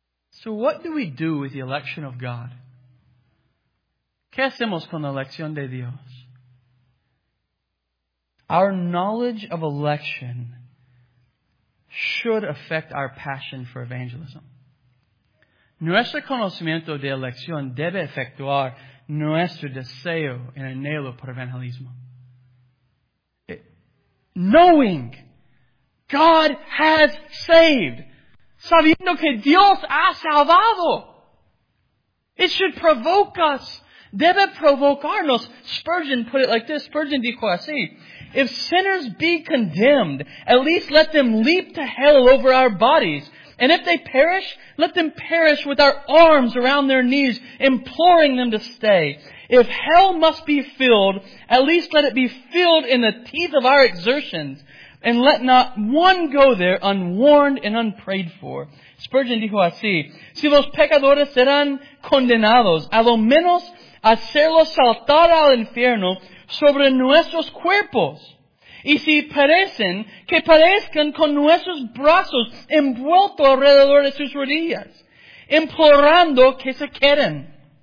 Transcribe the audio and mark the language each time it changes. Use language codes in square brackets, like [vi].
[en] So what do we do with the election of God? [es] ¿Qué hacemos con la elección de Dios? [en] Our knowledge of election should affect our passion for evangelism. [es] Nuestro conocimiento de elección debe efectuar nuestro deseo y anhelo por evangelismo. [en] Knowing God has saved, [es] sabiendo que Dios ha salvado, [en] It should provoke us. [es] Debe provocarnos. [en] Spurgeon put it like this. [es] Spurgeon dijo así. [en] If sinners be condemned, at least let them leap to hell over our bodies. And if they perish, let them perish with our arms around their knees, imploring them to stay. If hell must be filled, at least let it be filled in the teeth of our exertions. And let not one go there unwarned and unprayed for. [es] Spurgeon dijo así, si los pecadores serán condenados, a lo menos hacerlos saltar al infierno sobre nuestros cuerpos. Y si perecen, que perezcan con nuestros brazos envueltos alrededor de sus rodillas, implorando que se queden.